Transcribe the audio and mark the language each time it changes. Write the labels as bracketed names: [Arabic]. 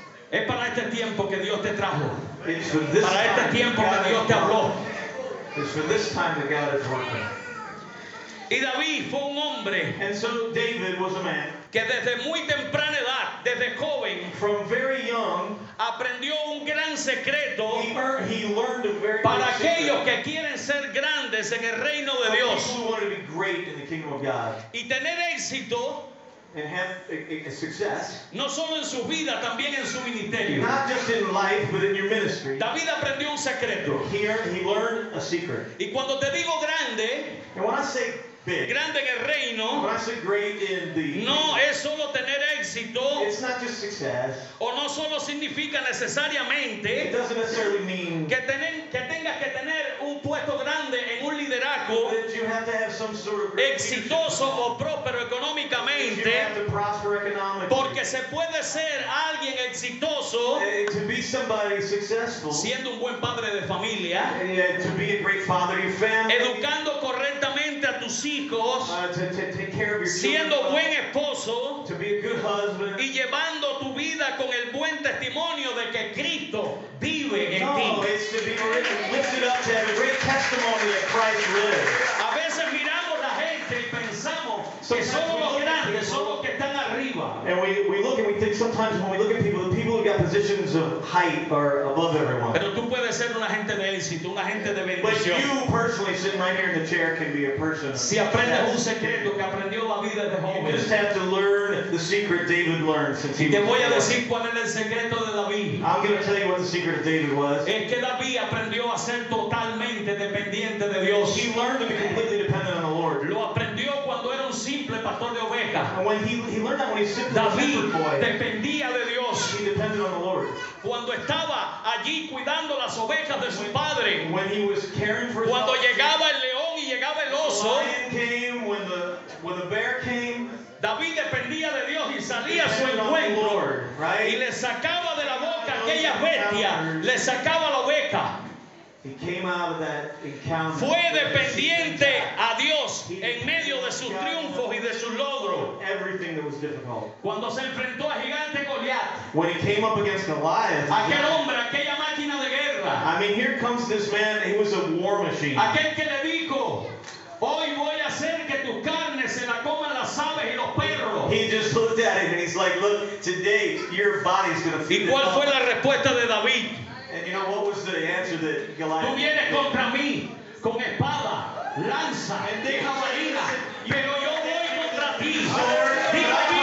[Spanish] Es para este tiempo que Dios te trajo. Para este tiempo que Dios te habló. [English] It's for this time that God has brought them. [Spanish] Y David fue un hombre. [English] And so David was a man. [Spanish] Que desde muy temprana edad, desde joven, [English] from very young, [Spanish] aprendió un gran secreto. [English] He learned a very [Spanish] para aquellos que quieren ser grandes en el reino de Dios. [English] People who want to be great in the kingdom of God. [Spanish] Y tener éxito. [English] And have a success. [Spanish] No solo en su vida, también en su ministerio. [English] Not just in life, but in your ministry. [Spanish] David aprendió un secreto. [English] He learned a secret. [Spanish] Y cuando te digo grande, [English] and when I say big, [Spanish] grande en el reino, [English] when I say great in the, [Spanish] no es solo tener éxito. [English] It's not just success. [Spanish] O no solo significa necesariamente. [English] It doesn't necessarily mean [Spanish] que tengas que tener un puesto grande en un liderazgo. [English] That you have to have some sort of [Spanish] exitoso o próspero económicamente. [English] You have to prosper economically. [Spanish] Porque se puede ser alguien exitoso [English] to be somebody successful, [Spanish] siendo un buen padre de familia, [English] to be a great father of family, [Spanish] educando correctamente a tus hijos, [English] to take care of your [Spanish] siendo [English] children, [Spanish] buen esposo, [English] to be a good husband, [Spanish] y llevando tu vida con el buen testimonio de que Cristo vive en ti. [English] No, it's to be lifted up to have a great testimony that Christ lives. [Spanish] A veces miramos la gente y pensamos que somos los grandes, somos los que están arriba. [English] And we look and we think sometimes when we look at people, the people who got positions of height are above everyone. [Spanish] Pero tú puedes ser un agente de éxito, un agente de bendición. [English] But you personally sitting right here in the chair can be a person. [Spanish] Si aprendes un secreto que aprendió David desde joven. [English] You just have to learn the secret David learned since he was young. [Spanish] Te voy a decir cuál era el secreto de David. [English] I'm going to tell you what the secret of David was. [Spanish] Es que David aprendió a ser totalmente dependiente de Dios. [English] He learned to be completely dependent on the Lord. [Spanish] Lo aprendió cuando era un simple pastor de ovejas. [English] And when he learned that when he was simple. [Spanish] David [English] boy, [Spanish] dependía de Dios. [English] He depended on the Lord. [Spanish] Cuando estaba allí cuidando las ovejas de su padre. [English] When he was caring for [Spanish] cuando [English] his [Spanish] llegaba el león y llegaba el oso. [English] When the bear came, [Spanish] David dependía de Dios y salía a su encuentro. [English] Lord, right? [Spanish] Y le sacaba de la boca aquella bestia. Le sacaba la oveja. [English] He came out of that encounter. [Spanish] Fue dependiente a Dios en medio de sus triunfos y de sus logros. [English] Everything that was difficult. [Spanish] Cuando se enfrentó a gigante Goliat. [English] When he came up against Goliath. [Spanish] Aquel hombre, aquella máquina de guerra. [English] I mean, here comes this man. He was a war machine. [Spanish] Aquel que le dijo, hoy voy a hacer que tu carne se la coman las aves y los perros. [English] He just looked at him and he's like, look, today your body's going to feed. [Spanish] ¿Y cuál fue la respuesta de David? [English] And you know what was the answer that Goliath gave? [Spanish] Tú vienes contra mí con espada, lanza, jabalina, pero yo voy contra ti.